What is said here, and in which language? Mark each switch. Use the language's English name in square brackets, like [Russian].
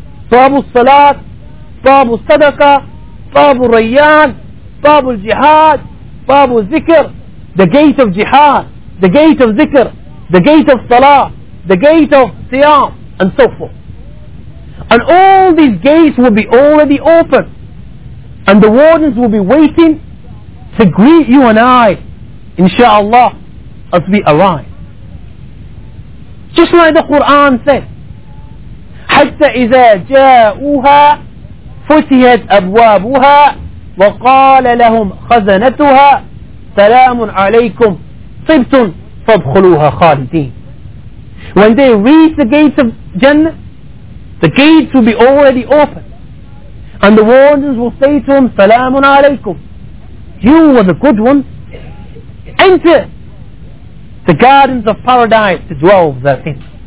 [English] Babu Salat, Babu Sadaqa, Babu Rayyan, Babu Jihad, Babu Zikr, the gate of Jihad, the gate of Zikr, the gate of Salah, the gate of Siyam, and so forth. And all these gates will be already open, and the wardens will be waiting to greet you and I, inshallah, as we arrive. Just like the Quran said, [Arabic] حَتَّى إِذَا جَاءُوهَا فُتِحَتْ أَبْوَابُهَا وَقَالَ لَهُمْ خَزَنَتُهَا سَلَامٌ عَلَيْكُمْ طِبْتُمْ فَادْخُلُوهَا خَالِدِينَ. [English] When they reach the gates of Jannah, the gates will be already open, and the wardens will say to them, [Arabic] سَلَامٌ عَلَيْكُمْ, [English] you were the good one, enter the gardens of paradise to dwell therein.